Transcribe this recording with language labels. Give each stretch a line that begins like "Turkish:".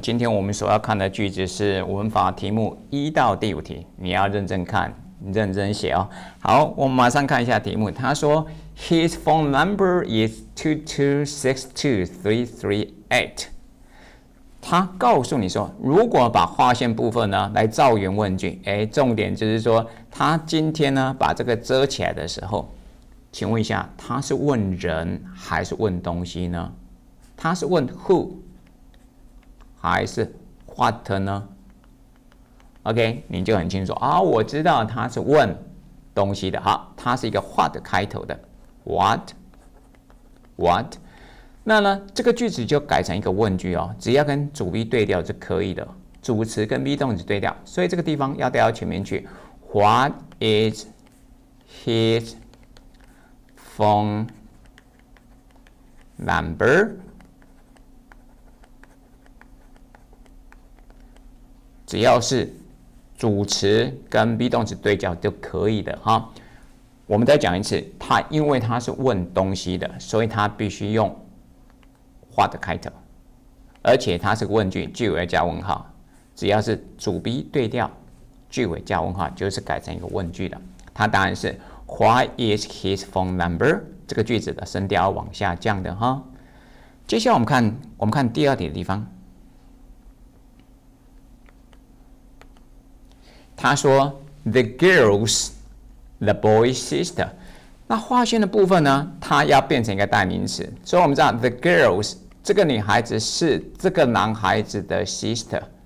Chinese: 今天我们所要看的句子是文法题目一到第五题，你要认真看，认真写哦。好，我们马上看一下题目。他说
English: ，His phone number is 22622338。
Chinese: 他告诉你说，如果把划线部分呢来造原问句，哎，重点就是说，他今天呢把这个遮起来的时候，请问一下，他是问人还是问东西呢？他是问 who？还是 what 呢 ？OK， 你就很清楚啊。我知道他是问东西的哈，它是一个 what 开头的 ，what。那呢，这个句子就改成一个问句哦，只要跟主 V 对调就可以的，主词跟 V 动词对调，所以这个地方要调到前面去。
English: What is his phone number？
Chinese: 只要是主词跟 be 动词对角就可以的哈。我们再讲一次，他因为他是问东西的，所以他必须用 what 开头，而且他是个问句，句尾加问号。只要是主 be 对调，句尾加问号就是改成一个问句的。他答案是
English: why is his phone number？
Chinese: 这个句子的声调要往下降的哈。接下来我们看第二题的地方。他说
English: ，the girl's the boy's sister。
Chinese: 那划线的部分呢？它要变成一个代名词，所以我们知道 the girl's 这个女孩子是这个男孩子的 sister。